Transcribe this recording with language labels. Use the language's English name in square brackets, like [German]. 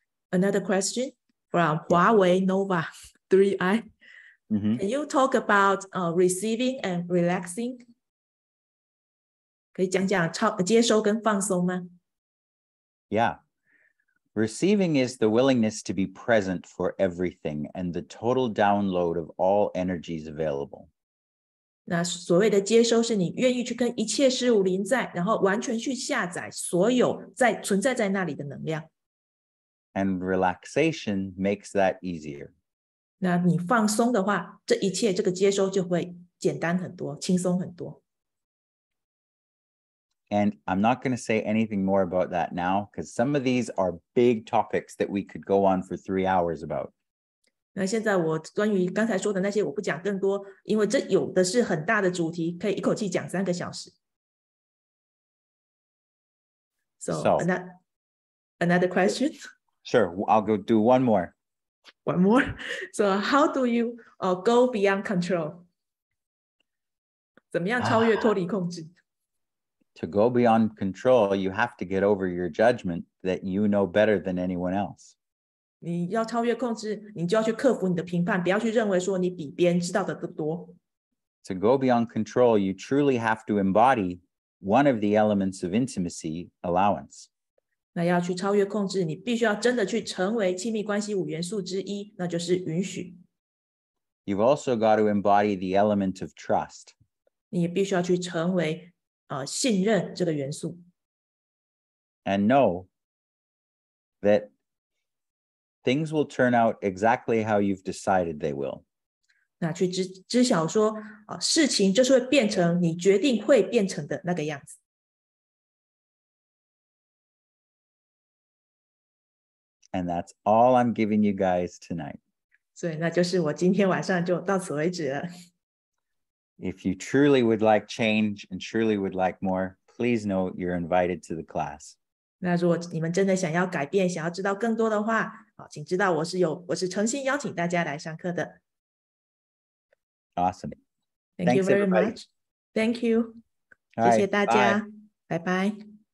[English] Another question from Huawei Nova 3i. Can you talk about receiving and relaxing? [Chinese] 可以讲讲接收跟放松吗？ [English] Yeah. Receiving is the willingness to be present for everything and the total download of all energies available. [Chinese] 那所谓的接收是你愿意去跟一切事物临在，然后完全去下载所有在存在在那里的能量。 [English] And relaxation makes that easier. [Chinese] 那你放松的话，这一切这个接收就会简单很多，轻松很多。 [English] And I'm not going to say anything more about that now, because some of these are big topics that we could go on for 3 hours about. [Chinese] 那现在我关于刚才说的那些我不讲更多，因为这有的是很大的主题，可以一口气讲三个小时。 [English] So another question? Sure, I'll go do one more. One more? So how do you go beyond control? [Chinese] 怎么样超越脱离控制？ [English] To go beyond control, you have to get over your judgment that you know better than anyone else. [Chinese] 你要超越控制，你就要去克服你的评判，不要去认为说你比别人知道的多。 [English] To go beyond control, you truly have to embody one of the elements of intimacy, allowance. [Chinese] 那要去超越控制，你必须要真的去成为亲密关系五元素之一，那就是允许。 [English] You've also got to embody the element of trust. [Chinese] 你也必须要去成为信任这个元素。 [English] And know that things will turn out exactly how you've decided they will. [Chinese] 那去知晓说事情就是会变成你决定会变成的那个样子。 [English] And that's all I'm giving you guys tonight. [Chinese] 所以那就是我今天晚上就到此为止了。 [English] If you truly would like change and truly would like more, please know you're invited to the class. [Chinese] 那如果你们真的想要改变，想要知道更多的话，请知道我是诚心邀请大家来上课的。 [English] Awesome. Thank you very much. Thank you. [Chinese] 谢谢大家。拜拜。